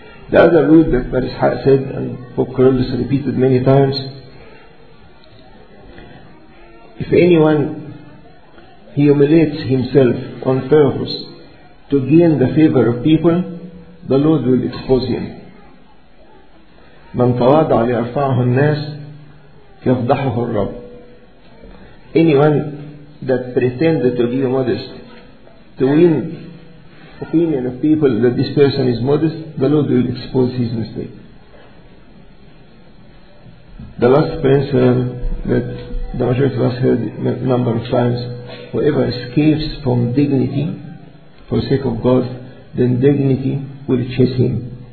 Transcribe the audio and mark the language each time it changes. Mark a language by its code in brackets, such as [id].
[en] The other rule that Maris Hayek said, and Pope Corollis repeated many times, if anyone humiliates himself on purpose to gain the favor of people, the Lord will expose him. [ar] من تواضع ليرفعه الناس يفضحه الرب. [en] Anyone that pretended to be modest to win opinion of people that this person is modest, the Lord will expose his mistake. The last principle that the majority of us heard a number of times, whoever escapes from dignity for sake of God, then dignity will chase him.